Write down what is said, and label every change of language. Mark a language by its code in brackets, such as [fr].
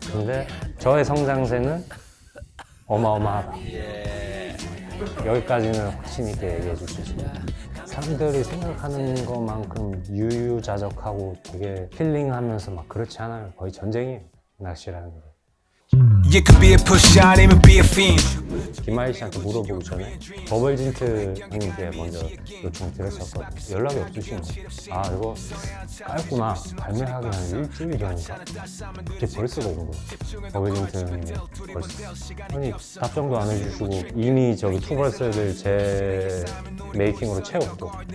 [ko] 근데 저의 성장세는 어마어마하다. 여기까지는 확신 있게 얘기해 줄 수 있습니다. 사람들이 생각하는 것만큼 유유자적하고 되게 힐링하면서 막 그렇지 않아요. 거의 전쟁이에요, 낚시라는 거. [en] You could be a push out, even be a fiend. [ko] 김하희 씨한테 물어보기 전에 버벌진트 형님께 먼저 요청 드렸었거든요. 연락이 없으신 거예요. 아, 이거 깔구나. 발매하기 한 일주일 전인가? 그렇게 벌써 온 거예요. 버벌진트 형님이 벌써. 아니, 답장도 안 해주시고 이미 저기 투벌스를 제 메이킹으로 채웠고.